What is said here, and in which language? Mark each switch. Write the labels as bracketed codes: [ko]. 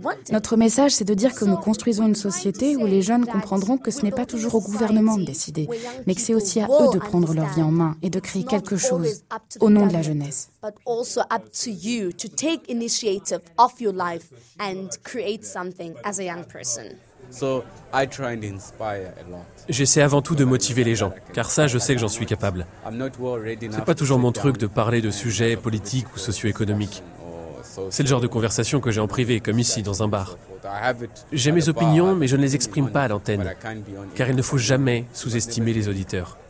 [fr] Notre message, c'est de dire que nous construisons une société où les jeunes comprendront que ce n'est pas toujours au gouvernement de décider, mais que c'est aussi à eux de prendre leur vie en main et de créer quelque chose au nom de la jeunesse. [en] But also up to you to take initiative of your life and create something as a young person. So I try and inspire a lot. [fr] J'essaie avant tout de motiver les gens, car ça, je sais que j'en suis capable. C'est pas toujours mon truc de parler de sujets politiques ou socio-économiques. C'est le genre de conversation que j'ai en privé, comme ici, dans un bar. J'ai mes opinions, mais je ne les exprime pas à l'antenne, car il ne faut jamais sous-estimer les auditeurs.